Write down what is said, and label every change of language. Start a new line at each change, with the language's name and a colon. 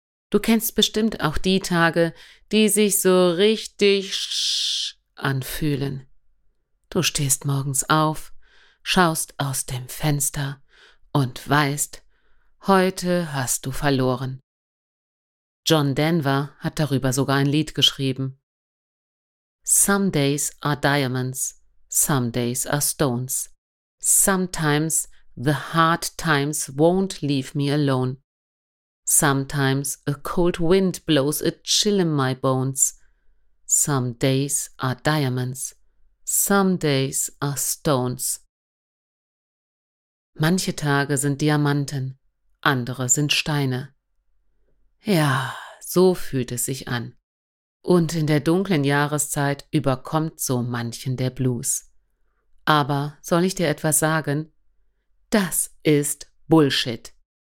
German: Du kennst bestimmt auch die Tage, die sich so richtig anfühlen. Du stehst morgens auf, schaust aus dem Fenster und weißt, heute hast du verloren. John Denver hat darüber sogar ein Lied geschrieben.
English: Some days are diamonds, some days are stones. Sometimes the hard times won't leave me alone. Sometimes a cold wind blows a chill in my bones. Some days are diamonds, some days are stones.
German: Manche Tage sind Diamanten, andere sind Steine. Ja, so fühlt es sich an. Und in der dunklen Jahreszeit überkommt so manchen der Blues. Aber soll ich dir etwas sagen? Das ist Bullshit.